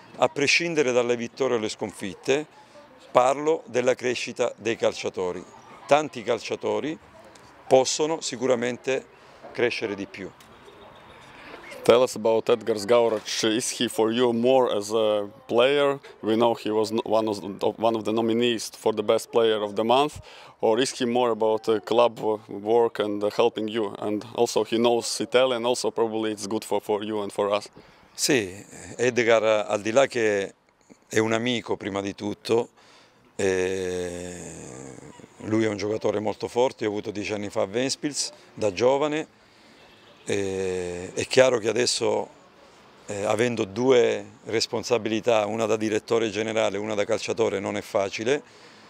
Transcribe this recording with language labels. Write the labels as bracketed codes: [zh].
[it] A prescindere dalle vittorie o le sconfitte, parlo della crescita dei calciatori. Tanti calciatori possono sicuramente crescere di più. [en] Tell us about Edgar Zgauroč. Is he for you more as a player? We know he was one of the nominees for the best player of the month. Or is he more about club work and helping you? And also he knows Italian, also probably it's good for you and for us. [it] Sì, Edgar, al di là che è un amico prima di tutto, lui è un giocatore molto forte, ho avuto 10 anni fa a Ventspils da giovane. È chiaro che adesso, avendo 2 responsabilità, una da direttore generale e una da calciatore, non è facile.